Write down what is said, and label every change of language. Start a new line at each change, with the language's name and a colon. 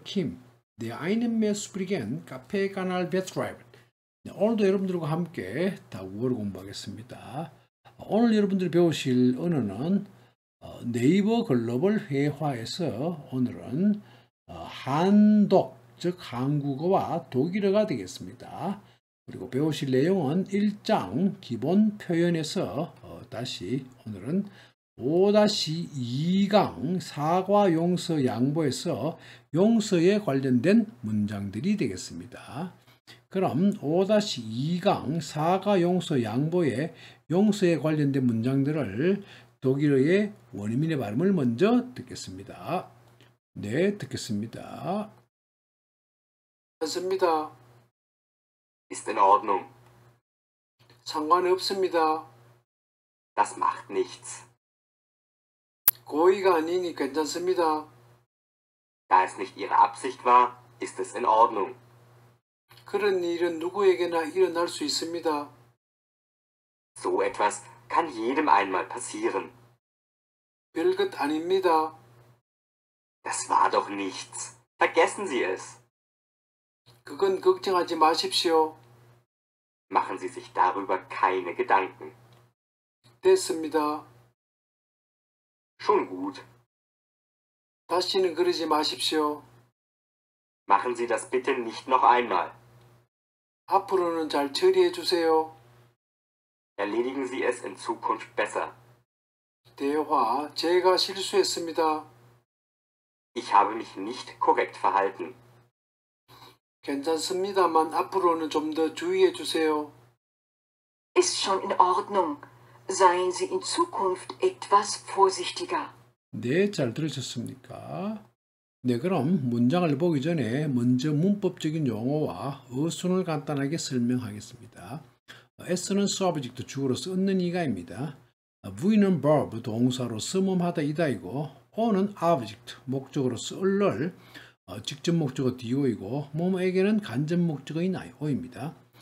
Korean: Kim, der einen mehr Sprechen Café Kanal betreibt. 네, 오늘도 여러분들과 함께 다국어를 공부하겠습니다. 오늘 여러분들이 배우실 언어는 네이버 글로벌 회화에서 오늘은 한독, 즉 한국어와 독일어가 되겠습니다. 그리고 배우실 내용은 1장 기본 표현에서 다시 오늘은 5-2강 사과 용서 양보에서 용서에 관련된 문장들이 되겠습니다. 그럼 5-2강 사과 용서 양보에 용서에 관련된 문장들을 독일어의 원어민의 발음을 먼저 듣겠습니다. 네, 듣겠습니다. 맞습니다.
German: Ist in Ordnung.
Korean: 상관없습니다.
German: Das macht nichts.
Korean: 고의가 아니니 괜찮습니다.
German: Da es nicht Ihre Absicht war, ist es in Ordnung.
Korean: 그런 일은 누구에게나 일어날 수 있습니다.
German: So etwas kann jedem einmal passieren.
Korean: 별것 아닙니다.
German: Das war doch nichts. Vergessen Sie es.
Korean: 그건 걱정하지 마십시오.
German: Machen Sie sich darüber keine Gedanken.
Korean: 됐습니다.
German: Schon gut.
Korean: 다시는 그러지 마십시오.
German: Machen Sie das bitte nicht noch einmal.
Korean: 앞으로는 잘 처리해 주세요.
German: Erledigen Sie es in Zukunft besser.
Korean: 대화, 제가 실수했습니다.
German: Ich habe mich nicht korrekt verhalten.
Korean: 괜찮습니다만 앞으로는 좀 더 주의해 주세요.
German: Ist schon in Ordnung. Seien Sie in Zukunft etwas vorsichtiger.
Korean: 네, 잘 들으셨습니까? 네, 그럼 문장을 보기 전에 먼저 문법적인 용어와 어순을 간단하게 설명하겠습니다. S는 subject, 주어로서 얻는 이가입니다. V는 verb, 동사로 서멈하다 이다이고 O는 object, 목적으로서 을를 직접 목적어 디오이고 몸에게는 간접 목적어인 I입니다.